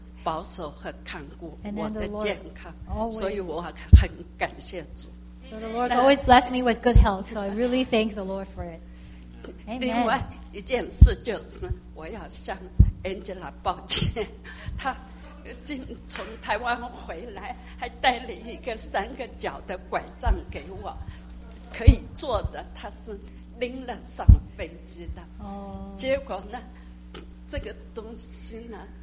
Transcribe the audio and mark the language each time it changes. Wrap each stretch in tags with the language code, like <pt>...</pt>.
<zh>保守和看顾我的健康，所以我很感谢主。</zh> <en>So the Lord always blessed me with good health, so I really thank the Lord for it. Amen.</en> <zh>另外一件事就是我要向 Angela 抱歉，她今从台湾回来还带了一个三个脚的拐杖给我，可以坐的，她是拎了上飞机的。结果呢，这个东西呢？</zh>